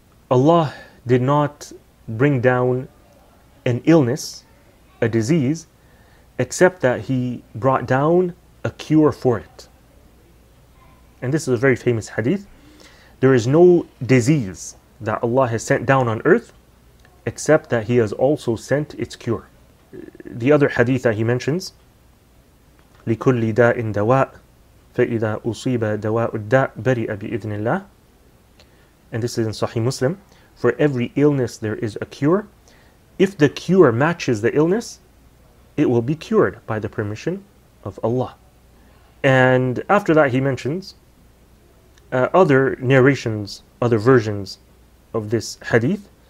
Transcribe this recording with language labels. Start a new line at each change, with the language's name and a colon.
English: Allah did not bring down an illness, a disease, except that he brought down a cure for it. And this is a very famous hadith. There is no disease that Allah has sent down on earth except that he has also sent its cure. The other hadith that he mentions,
Arabic: لِكُلِّ دَاءٍ دَوَاءٍ فَإِذَا أُصِيبَ دَوَاءُ الدَّاءِ بَرِئَ بِإِذْنِ اللَّهِ.
English: And this is in Sahih Muslim. For every illness there is a cure. If the cure matches the illness, it will be cured by the permission of Allah. And after that he mentions other narrations, other versions of this hadith.